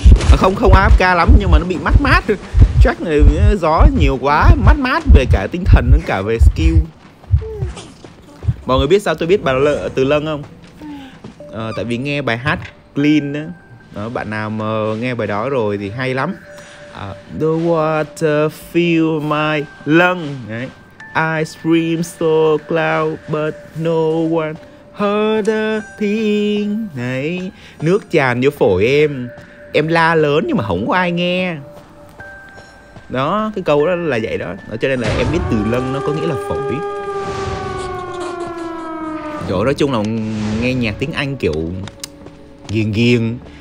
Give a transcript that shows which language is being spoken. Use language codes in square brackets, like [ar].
[vi] À, không AFK lắm nhưng mà nó bị mát mát. Chắc là gió nhiều quá, mát mát về cả tinh thần lẫn cả về skill. Mọi người biết sao tôi biết bài từ lân không? À, tại vì nghe bài hát Clean á. Đó, bạn nào mà nghe bài đó rồi thì hay lắm. [en] The water fill my lung. Đấy. I scream so loud but no one heard a thing. [vi] Đấy. Nước tràn vô phổi em. Em la lớn nhưng mà không có ai nghe. Đó, cái câu đó là vậy đó. Cho nên là em biết từ lung nó có nghĩa là phổi. Rồi nói chung là nghe nhạc tiếng Anh kiểu ghiền ghiền.